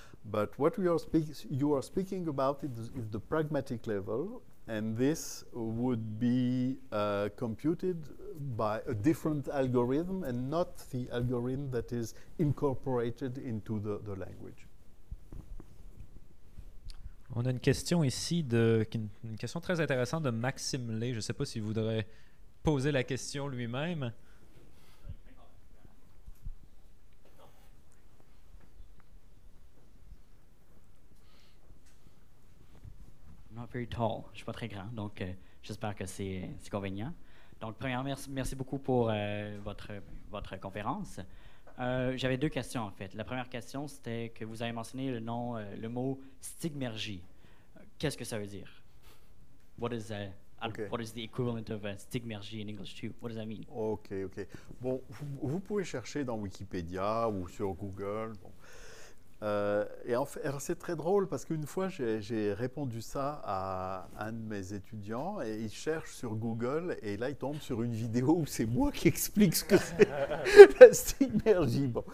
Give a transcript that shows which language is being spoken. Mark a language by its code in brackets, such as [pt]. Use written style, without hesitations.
[en] But what you are speaking about is the pragmatic level, and this would be computed by a different algorithm and not the algorithm that is incorporated into the language. [fr] On a une question ici, une question très intéressante de Maxime Lay. Je ne sais pas s'il voudrait poser la question lui-même. [en] Not very tall. [fr] Je ne suis pas très grand, donc j'espère que c'est convenient. Donc, premièrement, merci beaucoup pour votre conférence. J'avais deux questions, en fait. La première question, c'était que vous avez mentionné le nom, le mot stigmergie. Qu'est-ce que ça veut dire? [en] What is that? Okay. What is the equivalent of stigmergie in English too? What does that mean? OK. [fr] Bon, vous pouvez chercher dans Wikipédia ou sur Google. Bon. Et en fait, alors c'est très drôle parce qu'une fois, j'ai répondu ça à un de mes étudiants et il cherche sur Google et là, il tombe sur une vidéo où c'est moi qui explique ce que c'est la stigmergie.